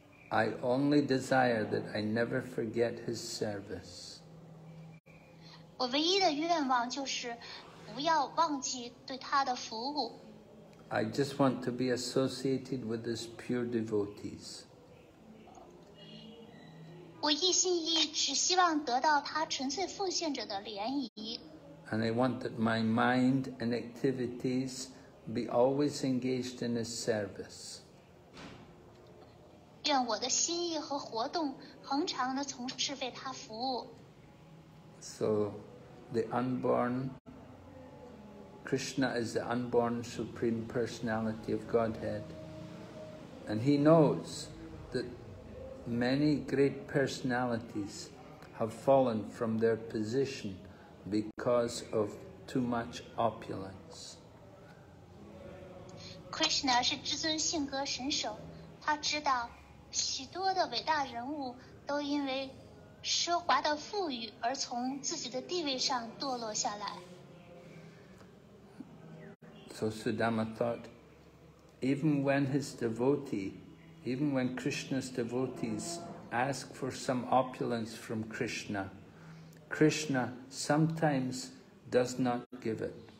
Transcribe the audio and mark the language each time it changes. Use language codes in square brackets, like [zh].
[en] I only desire that I never forget his service. [zh] 我唯一的愿望就是不要忘记对他的服务。 [en] I just want to be associated with his pure devotees. [zh] 我一心一意只希望得到他纯粹奉献者的联谊。 [en] And I want that my mind and activities be always engaged in his service. [zh] 愿我的心意和活动恒常地从事为他服务。 [en] So the unborn Krishna is the unborn Supreme Personality of Godhead, and he knows that many great personalities have fallen from their position because of too much opulence. [zh] Krishna 是至尊性格神首，他知道许多的伟大人物都因为奢华的富裕而从自己的地位上堕落下来。 [en] So Sudama thought, even when his devotee, even when Krishna's devotees ask for some opulence from Krishna, Krishna sometimes does not give it.